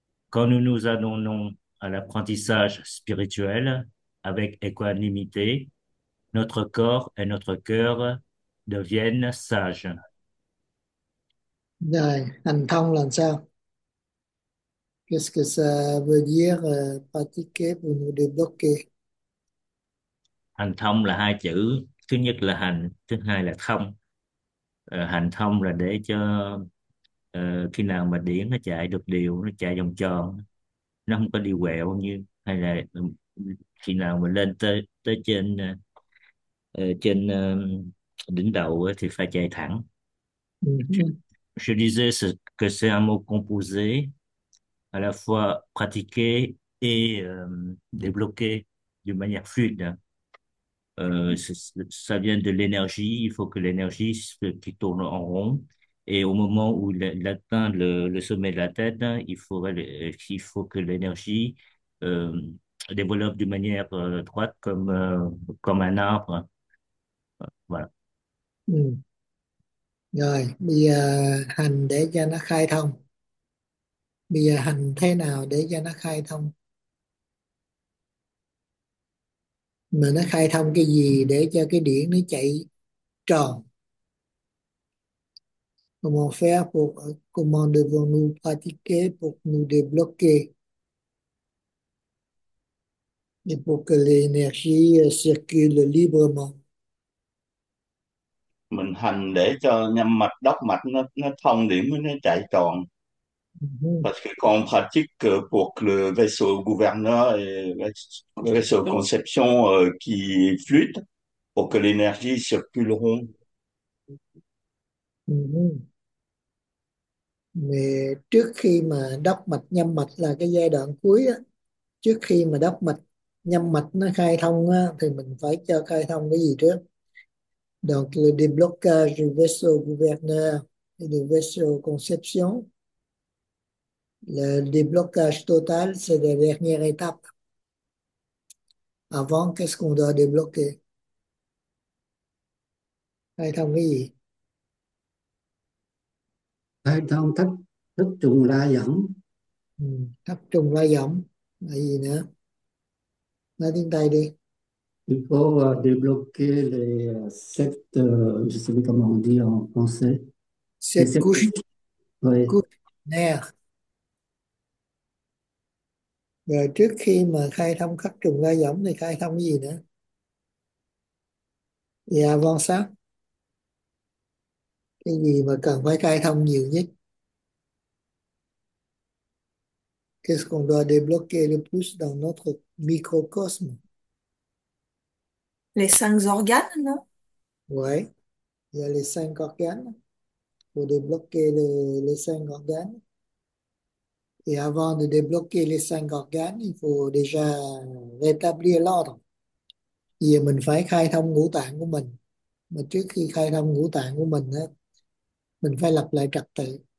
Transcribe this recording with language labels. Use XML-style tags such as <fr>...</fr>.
<fr>Quand nous nous adonnons à l'apprentissage spirituel avec équanimité, notre corps et notre cœur deviennent sages.</fr> <vi>Rồi, hành thông làm sao?</vi> <fr>Qu'est-ce que ça veut dire pratiquer pour nous débloquer?</fr> <vi>Hành thông là hai chữ. Thứ nhất là hành, thứ hai là thông. Hành thông là để cho khi nào mà điển nó chạy được đều, nó chạy vòng tròn, nó không có đi quẹo, như hay là khi nào mà lên tới tới trên trên đỉnh đầu thì phải chạy thẳng.</vi> <fr>Disais que c'est un mot composé à la fois pratiquer et débloquer d'une manière fluide. Ça vient de l'énergie, il faut que l'énergie qui tourne en rond, et au moment où il atteint le sommet de la tête, il faut que l'énergie développe d'une manière droite comme un arbre. Voilà.</fr> <vi>Rồi, bây giờ hành để cho nó khai thông. Bây giờ hành thế nào để cho nó khai thông? Mà nó khai thông cái gì để cho cái điển nó chạy tròn?</vi> <fr>Comment faire pour, comment devons-nous pratiquer pour nous débloquer? Et pour que l'énergie circule librement.</fr> <vi>Mình hành để cho nhâm mạch đốc mạch nó thông điểm nó chạy tròn. Và khi còn</vi> <fr>pratique pour le vaisseau gouverneur et vaisseau conception qui fluide pour que l'énergie circule rond. Mais</fr> <vi>trước khi mà đốc mạch nhâm mạch là cái giai đoạn cuối á, trước khi mà đốc mạch nhâm mạch nó khai thông á, thì mình phải cho khai thông cái gì trước?</vi> <fr>Donc le déblocage du vaisseau gouverneur et du vaisseau conception. Le déblocage total, c'est la dernière étape. Avant, qu'est-ce qu'on doit débloquer?</fr> <vi>Hay thông cái gì? Khai thông thất thất trùng la dẫn. Thất trùng lai dẫm là gì nữa? Nói tiếng Tây đi.</vi> <fr>Débloquer les sept, je sais pas comment on dit en français, les Cette sept couches. Oui. couche nerf.</fr> <vi>Rồi trước khi mà khai thông khắc trùng lai dẫm thì khai thông cái gì nữa? Dạ vâng sát. Cái gì mà cần phải khai thông nhiều nhất?</vi> <fr>Qu'est-ce qu'on doit débloquer le plus dans notre microcosme? Les cinq organes, non? Ouais, il y a les cinq organes. Pour débloquer les cinq organes. Et avant de débloquer les cinq organes, il faut déjà rétablir l'ordre.</fr> <vi>Vì mình phải khai thông ngũ tạng của mình. Mà trước khi khai thông ngũ tạng của mình, á, mình phải lập lại trật tự.</vi>